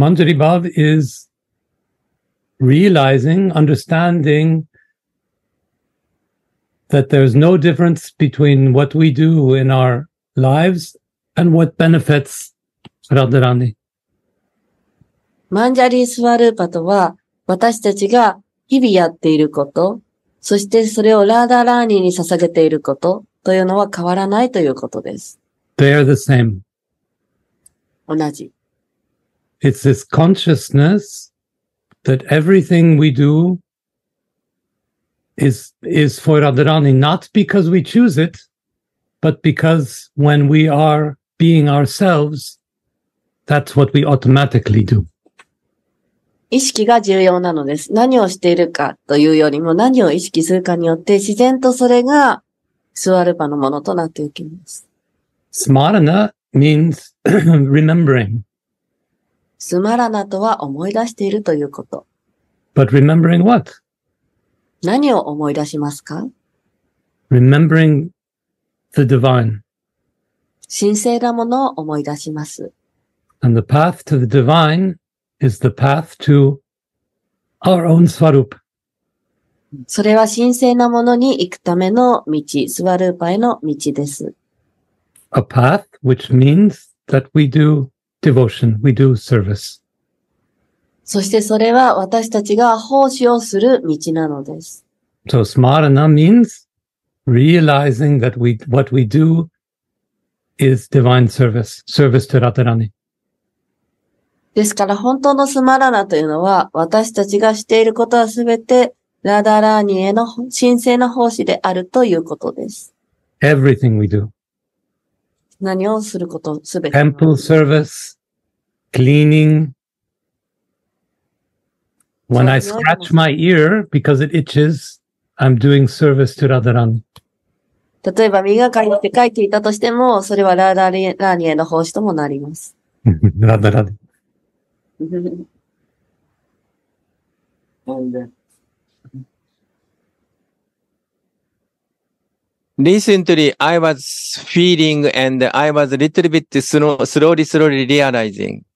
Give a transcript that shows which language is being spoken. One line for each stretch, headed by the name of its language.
English: Manjari Bhav is realizing, understandingthat there's no difference between what we do in our lives and what benefits Radharani.
Japanese: マンジャリスワルーパとは、私たちが日々やっていること、そしてそれをラーダラーニに捧げていることというのは変わらないということです。
English: They are the same.
Japanese: 同じ。
English: It's this consciousness that everything we do is for Radharani, not because we choose it, but because when we are being ourselves, that's what we automatically do.
Japanese: 意識が重要なのです。何をしているかというよりも何を意識するかによって自然とそれがスワルパのものとなっていきます。
English: スマラナ means remembering.
Japanese: スマラナとは思い出しているということ。
English: But remembering what?
Japanese: 何を思い出しますか?
English: Remembering the divine.
Japanese: 神聖なものを思い出します。
English: And the path to the divine is the path to our own Swarupa.
Japanese: それは神聖なものに行くための道、スワルーパへの道です。
English: A path which means that we do devotion, we do service.
Japanese: そしてそれは私たちが奉仕をする道なのです。
English: So smarana means realizing that what we do is divine service, service to Radharani.
Japanese: ですから本当のスマラナというのは私たちがしていることはすべてラダラーニへの神聖な奉仕であるということです。
English: Everything we do.
Japanese: 何をすることすべて。
English: Temple service, cleaning. When I scratch my ear because it itches, I'm doing service to Radharani.
Japanese: 例えば耳が痒いって書いていたとしても、それはラダラーニへの奉仕ともなります。ラダラーニ。
English: Recently, I was feeling and I was a little bit slowly realizing.